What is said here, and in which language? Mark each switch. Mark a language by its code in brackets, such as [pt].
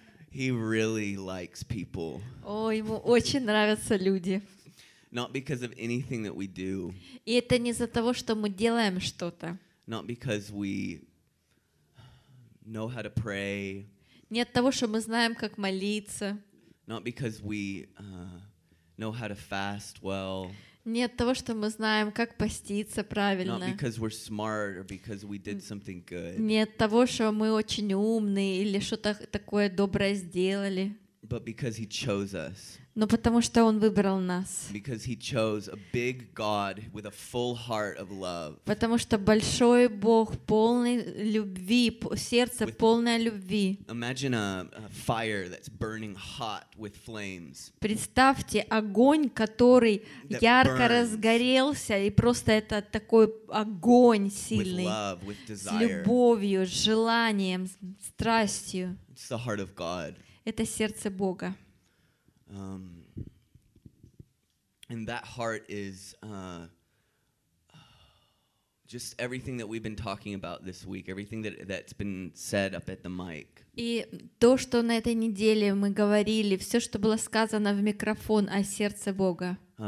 [en] He really likes people. [ru] О, ему очень нравятся люди. [en] Not because of anything that we do. [ru] И это не из-за того, что мы делаем что-то. [en] Not because we know how to pray. [ru] Не от того, что мы знаем, как молиться. [en] Not because we know how to fast well. [ru] Не от того, что мы знаем, как поститься правильно. [en] Not because we're smart or because we did something good. [ru] Не от того, что мы очень умные или что-то такое доброе сделали. [en] But because he chose us. [ru] Но потому что он выбрал нас. [en] Because he chose a big God with a full heart of love. [ru] Потому что большой Бог, полный любви, сердце полное любви. [en] Imagine a fire that's burning hot with flames. [ru] Представьте огонь, который ярко разгорелся, и просто это такой огонь сильный. [en] With love, with desire. [ru] С любовью, с желанием, с страстью. [en] It's the heart of God. [ru] Это сердце Бога. [en] And that heart is just everything that we've been talking about this week, everything that's been said up at the mic. [ru] И то, что на этой неделе мы говорили, все, что было сказано в микрофон о сердце Бога.